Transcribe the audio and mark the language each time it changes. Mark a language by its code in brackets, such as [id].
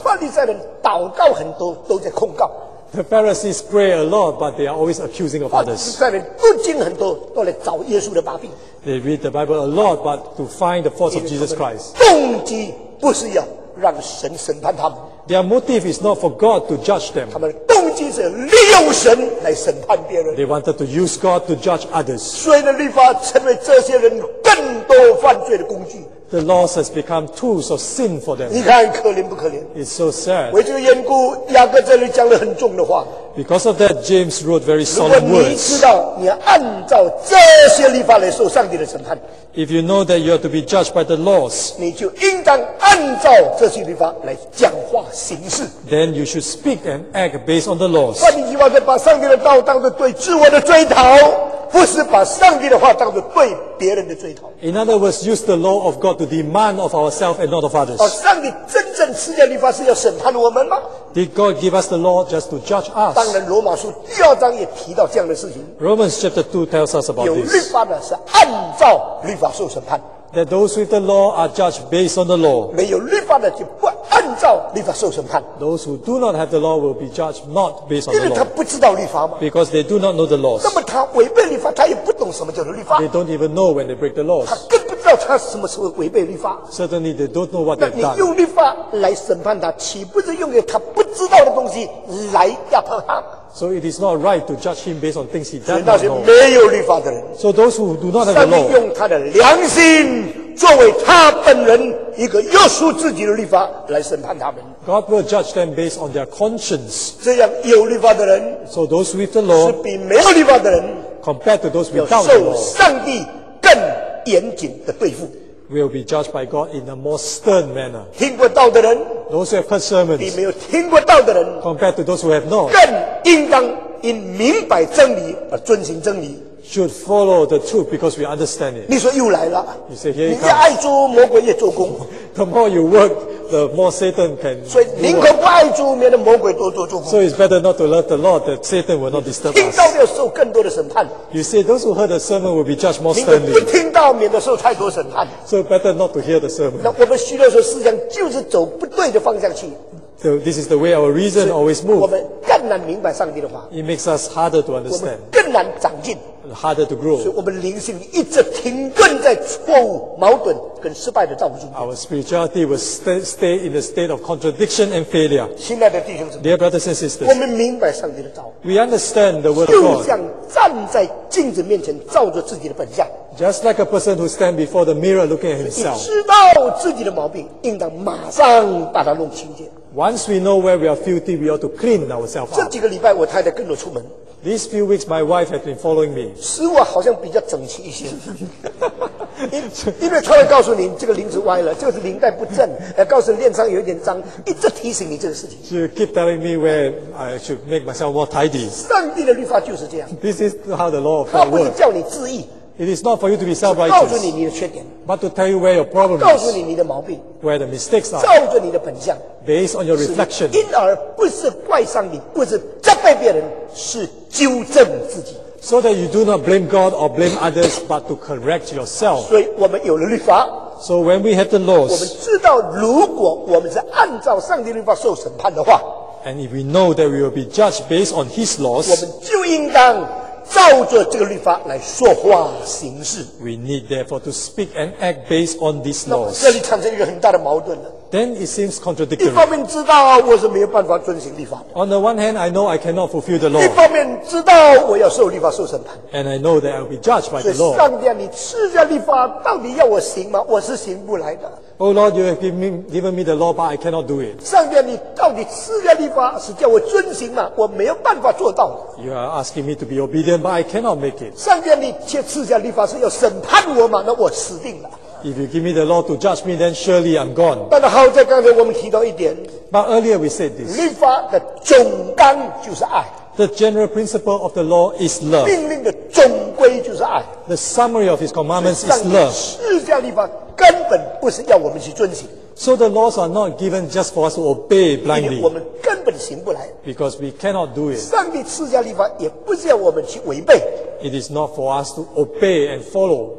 [zh] 法利赛人祷告很多，都在控告。 [en] The Pharisees pray a lot, but they are always accusing of others. [zh] 法利赛人读经很多，都来找耶稣的把柄。 [en] They read the Bible a lot, but to find the faults of Jesus Christ. [zh] 动机不是要让神审判他们。 [en] Their motive is not for God to judge them. [zh] 他们动机是利用神来审判别人。 [en] They wanted to use God to judge others. [zh] 所以呢，律法成为这些人更多犯罪的工具。 [en] The laws has become tools of sin for them. [zh] 你看可怜不可怜 [en] ？It's so sad. [zh] 为这个缘故，雅各这里讲了很重的话。 [en] Because of that, James wrote very solemn words. [zh] 如果你知道你要按照这些律法来受上帝的审判 [en] ，If you know that you are to be judged by the laws, [zh] 你就应当按照这些律法来讲话行事。 [en] Then you should speak and act based on the laws. [zh] 换句话说，把上帝的道当作对自我的追讨，不是把上帝的话当作对别人的追讨。 [en] In other words, use the law of God to demand of ourselves and not of others. [zh] 上帝真正赐下律法是要审判我们吗 [en] ？Did God give us the law just to judge us? [zh] 当然，罗马书第二章也提到这样的事情。 [en] Romans chapter 2 tells us about this. [zh] 有律法的是按照律法受审判。 [en] That those with the law are judged based on the law. [zh] 没有律法的就不按照律法受审判。 [en] Those who do not have the law will be judged not based on the law. [zh] 因为他不知道律法嘛。 [en] Because they do not know the laws. [zh] 那么他违背律法，他也不懂什么叫做律法。 [en] They don't even know when they break the laws. [zh] 他更不知道他什么时候违背律法。 [en] Certainly they don't know what they've done. [zh] 那你用律法来审判他，岂不是用给他不知道的东西来压迫他？ [en] So it is not right to judge him based on things he does not [zh] 所以那些没有律法的人。 [en] So those who do not have the law. [zh] 上帝用他的良心作为他本人一个约束自己的律法来审判他们。 [en] God will judge them based on their conscience. [zh] 这样有律法的人。 [en] So those with the law. [zh] 是比没有律法的人。 [en] Compared to those without the law. [zh] 要受上帝更严谨的对付。 [en] Will be judged by God in a more stern manner. [zh] 听过道的人。 [en] Those who have heard sermons. [zh] 比没有听过道的人。 [en] Compared to those who have not. [zh] 更应当因明白真理而遵行真理。 [en] Should follow the truth because we understand it. [zh] 你说又来了。 [en] You say, here you come. [zh] 你越爱主，魔鬼越做工。 [en] The more you work, the more Satan can. [zh] 所以宁可不爱主，免得魔鬼多做工。 [en] So it's better not to love the Lord that Satan will not disturb us. [zh] 听到要受更多的审判。 [en] You say those who heard the sermon will be judged more sternly. [zh] 宁可不听到，免得受太多审判。 [en] So better not to hear the sermon. [zh] 那我们许多时候思想就是走不对的方向去。 [en] So this is the way our reason always moves. [zh] 我们更难明白上帝的话。 [en] It makes us harder to understand. [zh] 我们更难长进。 [en] Harder to grow. [zh] 所以我们灵性一直停顿在错误、矛盾跟失败的道路中。 [en] Our spirituality will stay in a state of contradiction and failure. [zh] 亲爱的弟兄姊妹 [en] ，Dear brothers and sisters, [zh] 我们明白上帝的道。 [en] We understand the word of God. [zh] 就像站在镜子面前照着自己的本相。 [en] Just like a person who stands before the mirror looking at himself. [zh] 知道自己的毛病，应当马上把它弄清洁。 [en] Once we know where we are filthy, we ought to clean ourselves up. [zh] 这几个礼拜，我太太跟着出门。 [en] These few weeks, my wife has been following me. [zh] 使我好像比较整齐一些。因为他会告诉你这个铃子歪了，这个铃带不正，告诉你链上有一点脏，一直提醒你这个事情。 [en] She keep telling me where I should make myself more tidy. [zh] 上帝的律法就是这样。 [en] This is how the law of God works. [zh] 他不是叫你自义。 [en] It is not for you to be self-righteous. [zh] 告诉你你的缺点。 [en] But to tell you where your problem is. [zh] 告诉你你的毛病。 [en] Where the mistakes are. [zh] 照着你的本相。 [en] Based on your reflection. [zh] 因而不是怪上帝，不是责备别人，是纠正自己。 [en] So that you do not blame God or blame others, but to correct yourself. [zh] 所以我们有了律法。 [en] So when we have the laws. [zh] 我们知道如果我们是按照上帝律法受审判的话。 [en] And if we know that we will be judged based on His laws. [zh] 我们就应当照着这个律法来说话行事。 [en] We need therefore to speak and act based on these laws. [zh] 这里产生一个很大的矛盾了。 [en] Then it seems contradictory. [zh] 一方面知道我是没有办法遵行律法的。 [en] On the one hand, I know I cannot fulfill the law. [zh] 一方面知道我要受律法受审判。 [en] And I know that I'll be judged by the law. [zh] 所以上帝啊，你赐下律法，到底要我行吗？我是行不来的。 [en] Oh Lord, you have given me the law, but I cannot do it. [zh] 上帝啊，你到底赐下律法是叫我遵行吗？我没有办法做到。 [en] You are asking me to be obedient, but I cannot make it. [zh] 上帝啊，你却赐下律法是要审判我吗？那我死定了。 [en] If you give me the law to judge me, then surely I'm gone. [zh] 但好在刚才我们提到一点。 [en] But earlier we said this. [zh] 律法的总纲就是爱。 [en] The general principle of the law is love. [zh] 命令的总归就是爱。 [en] The summary of his commandments is love. [zh] 实际上律法根本不是要我们去遵行。 [en] So the laws are not given just for us to obey blindly. [zh] 我们根本行不来。 [en] Because we cannot do it. [zh] 上帝赐下律法也不是要我们去违背。 [en] It is not for us to obey and follow.